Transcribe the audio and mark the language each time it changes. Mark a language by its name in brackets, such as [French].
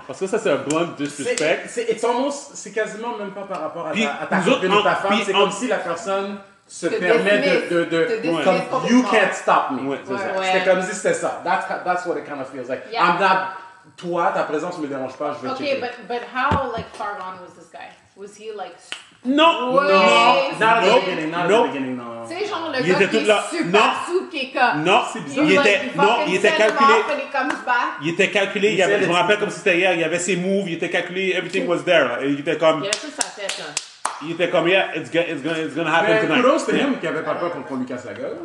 [French] Parce que ça, c'est un blunt disrespect. C'est quasiment même pas par rapport à ta femme. C'est comme si la personne se permet de comme, [English] you can't stop me. [French] C'est comme si c'était ça. [English] That's what it kind of feels like. Yeah. I'm not... [French] Toi, ta présence me dérange pas, je veux [English] checker. Okay, but how, like, far gone was this guy? Was he, like, [French] Non, ouais. Non, [English] not at the beginning, not at the beginning, [French] non. C'est genre le gars qui est super souple, qui est comme... Non, c'est bizarre. Il était, non, il était calculé. Il était calculé, il avait, je me rappelle comme si c'était hier, il avait ses moves, il était calculé, [English] everything was there. [French] Il était comme... Il avait tout sa tête, là. Il était comme, [English] yeah, it's gonna happen [French] mais [English] tonight. [French] Mais kudos, c'était lui qui avait pas peur qu'on lui casse la gueule.